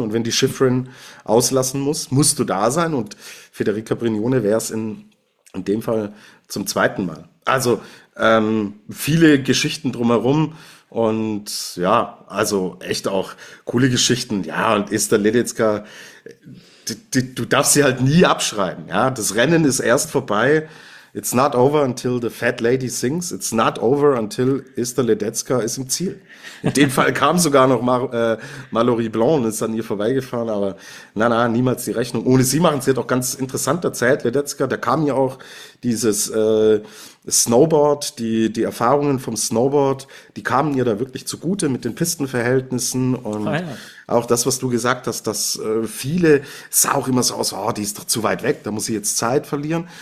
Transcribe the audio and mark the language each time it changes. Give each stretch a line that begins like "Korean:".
German: Und wenn die Schifrin auslassen muss, musst du da sein. Und Federica Brignone wäre es in dem Fall zum zweiten Mal. Also viele Geschichten drumherum. Und ja, also echt auch coole Geschichten. Ja, und Ester Ledezka, du darfst sie halt nie abschreiben. Ja, das Rennen ist erst vorbei.
English: It's not over until the fat lady sings. It's not over until
German: Ester Ledezka ist im Ziel. In dem Fall kam sogar noch Mallory Blanc und ist an ihr vorbeigefahren. Aber na, niemals die Rechnung. Ohne sie machen sie doch ganz interessant erzählt, Ledezka. Da kam ja auch dieses Snowboard, die Erfahrungen vom Snowboard, die kamen ihr da wirklich zugute mit den Pistenverhältnissen und auch das, was du gesagt hast, dass viele, sah auch immer so aus, oh, die ist doch zu weit weg, da muss sie jetzt Zeit verlieren.